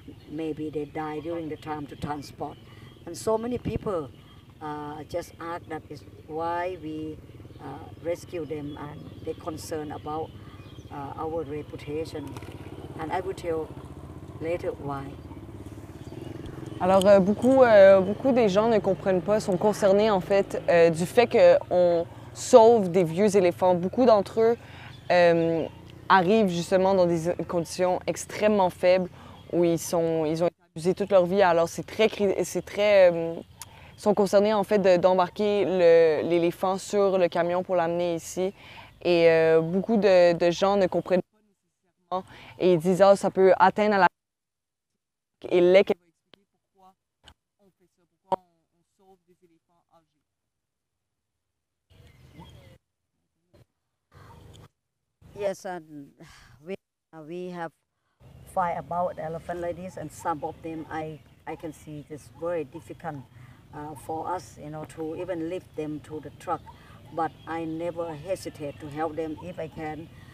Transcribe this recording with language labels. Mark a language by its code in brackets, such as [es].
[en] Maybe they die during the time to transport, and so many people just ask that is why we rescue them, and they concern about our reputation, and I will tell later why. [fr] Alors beaucoup des gens ne comprennent pas, sont concernés en fait du fait que on sauve des vieux éléphants. Beaucoup d'entre eux arrivent justement dans des conditions extrêmement faibles. Où ils ont été abusés toute leur vie, alors sont concernés en fait d'embarquer l'éléphant sur le camion pour l'amener ici. Et beaucoup de gens ne comprennent pas nécessairement et ils disent ah, ça peut atteindre à la et les qu'elle va expliquer pourquoi on fait ça, pourquoi on sauve des éléphants âgés. [en] Yes, we have fight about elephant like this, and some of them I can see it's very difficult for us, you know, to even lift them to the truck, but I never hesitate to help them if I can.